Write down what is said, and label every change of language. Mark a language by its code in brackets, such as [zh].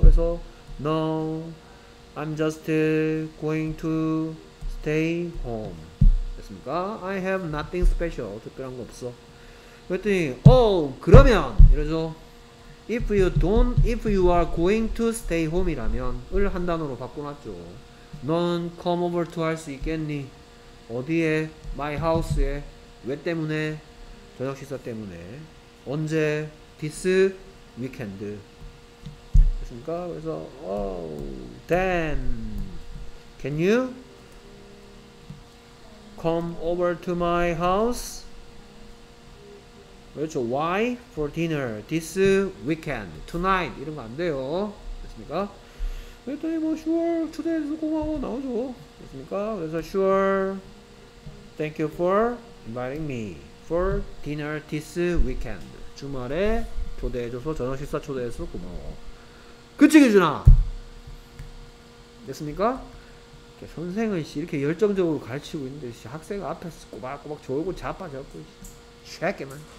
[ko] 그래서 [en] no, I'm just going to stay home. [ko] 됐습니까? [en] I have nothing special. [ko] 특별한 거 없어. 그랬더니 oh, 그러면 이러죠. [en] If you don't, if you are going to stay home [ko] 이라면 을 한 단어로 바꿔놨죠. 넌 [en] come over to [ko] 할 수 있겠니? 어디에? [en] My house [ko] 에. 왜 때문에? 저녁 식사 때문에. 언제? [en] This weekend. [ko] 됐습니까? 그래서 [en] oh, then can you come over to my house? [ko] 그렇죠. [en] Why? For dinner. This weekend. Tonight. [ko] 이런 거 안 돼요. 됐습니까? 그랬더니 뭐 sure. 초대해서 고마워. 나오죠. 됐습니까? 그래서 sure. [en] Thank you for inviting me for dinner this weekend. [ko] 주말에 초대해줘서 저녁 식사 초대해서 고마워. 그치 기준아? 됐습니까? 선생은 씨 이렇게 열정적으로 가르치고 있는데 씨 학생 앞에서 꼬박꼬박 졸고 자빠졌고 쉐게만.